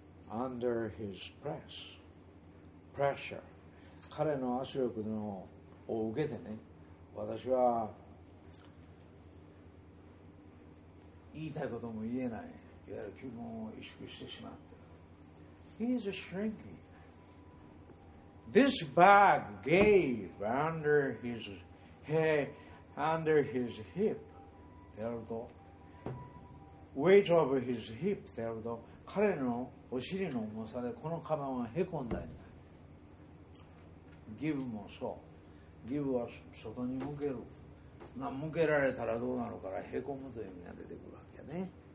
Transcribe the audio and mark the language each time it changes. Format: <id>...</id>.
<en>Under his press, pressure.</en> <ja>彼の圧力のを受けてね、私は言いたいことも言えない。いわゆる気分を萎縮してしまって。</ja> <en>He is shrinking. This bag gave under his head, under his hip.</en> <ja>であると、</ja> <en>weight of his hip.</en> <ja>であると、彼のお尻の重さでこのカバンはへこんだり、ギブもそう。ギブは外に向ける。な、向けられたらどうなるから、へこむという意味が出てくるわけね。</ja>